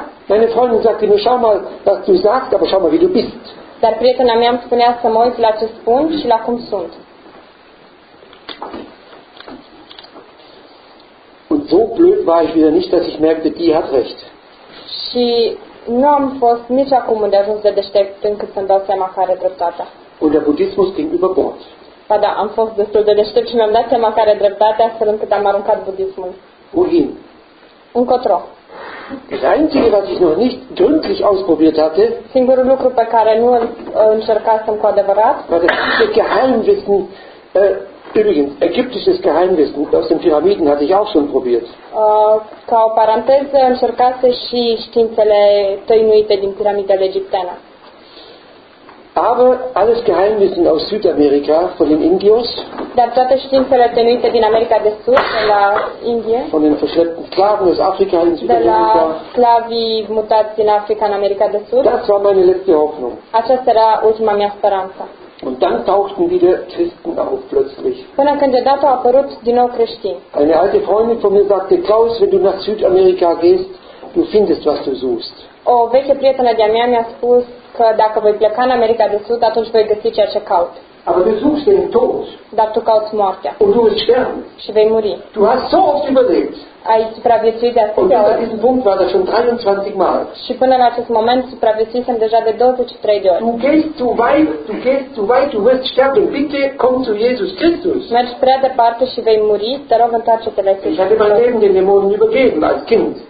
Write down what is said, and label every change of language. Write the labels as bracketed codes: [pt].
[de] Meine Freundin sagte mir, schau mal, was du sagst, aber schau mal, wie du bist. [ro] Dar prietena mea îmi spunea să mă uit la ce spun și la cum sunt. [de] Und so blöd war ich wieder nicht, dass ich merkte, die hat recht. [ro] Și nu am fost nici acum unde ajuns de deștept încât să-mi dau seama că are dreptatea. [de] Und der Buddhismus ging über Bord. [ro] Ba da, am fost destul de deștept și mi-am dat seama că are dreptatea astfel încât am aruncat budismul. [de] Wohin? [ro] Încotro. [de] Das Einzige, was ich noch nicht gründlich ausprobiert hatte, [ro] singurul lucru pe care nu încercasem cu adevărat, [de] war das Geheimwissen, übrigens, ägyptisches Geheimwissen aus den Pyramiden hatte ich auch schon probiert. [ro] Ca o paranteză, încercase și științele tăinuite din piramidele egiptene. [de] Aber alles Geheimwissen aus Südamerika von den Indios, [ro] dar toate științele tăinuite din America de Sud, de la Indie, [de] von den verschleppten Sklaven aus Afrika in Südamerika, [ro] de la sclavii mutați din Africa în America de Sud, [de] das war meine letzte Hoffnung. [ro] Aceasta era ultima mea speranță. [de] Und dann tauchten wieder Christen auf plötzlich. [ro] Până când deodată au apărut din nou creștini. [de] Eine alte Freundin von mir sagte, Klaus, wenn du nach Südamerika gehst, du findest, was du suchst. [ro] O veche prietenă de-a mea mi-a spus că dacă voi pleca în America de Sud, atunci voi găsi ceea ce caut. [de] Aber du suchst den Tod. [ro] Dar tu cauți moartea. [de] Und du wirst sterben. [ro] Și vei muri. [de] Du hast so oft überlebt. [ro] Ai supraviețuit de atâtea ori. [de] Und diesen Punkt war das schon 23 Mal. [ro] Și până în acest moment supraviețuisem deja de 23 de ori. [de] Du gehst zu weit, du wirst sterben. Bitte komm zu Jesus Christus. [ro] Mergi prea departe și vei muri, te rog întoarce-te la Iisus [de] Hristos. Ich hatte mein Leben den Dämonen übergeben als Kind.